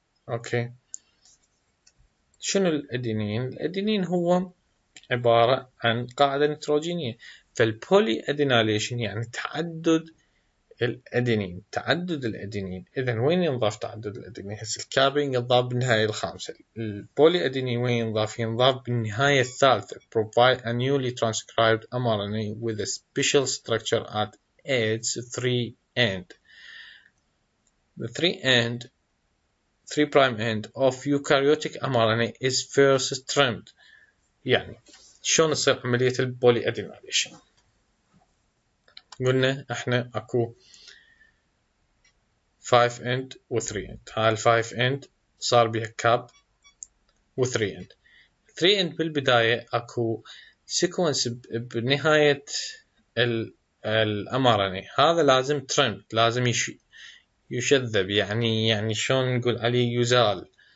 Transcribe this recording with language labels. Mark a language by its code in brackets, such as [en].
[ar] أوكي، شنو الأدينين؟ الأدينين هو عبارة عن قاعدة نيتروجينية. فالبولي أدينايليشن يعني تعدد الأدينين، تعدد الأدينين. إذا وين ينضاف تعدد الأدينين؟ هسه الكابين ينضاف بالنهاية الخامسة، البولي أدينين وين ينضاف؟ ينضاف بالنهاية الثالثة. [en] Provide a newly transcribed mRNA with a special structure at its 3 end. The 3 end, 3 prime end of eukaryotic mRNA is first trimmed. [ar] يعني شلون تصير عملية البولي أدينايليشن؟ قلنا احنا اكو 5 end و 3 end، هاي ال 5 end صار بها كاب و 3 end. 3 end بالبداية اكو سيكونس بنهاية ال mRNA، هذا لازم ترم، لازم يشذب، يعني شلون نقول عليه يزال.